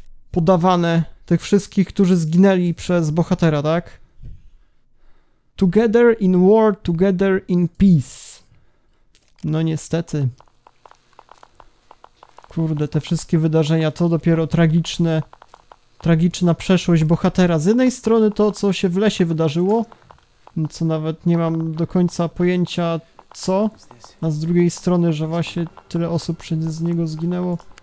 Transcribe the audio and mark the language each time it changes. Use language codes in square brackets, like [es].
[pl] podawane tych wszystkich, którzy zginęli przez bohatera, tak? [en] Together in war, together in peace. [pl] No niestety. Kurde, te wszystkie wydarzenia, to dopiero tragiczne. Tragiczna przeszłość bohatera. Z jednej strony to, co się w lesie wydarzyło, co nawet nie mam do końca pojęcia co, a z drugiej strony, że właśnie tyle osób z niego zginęło.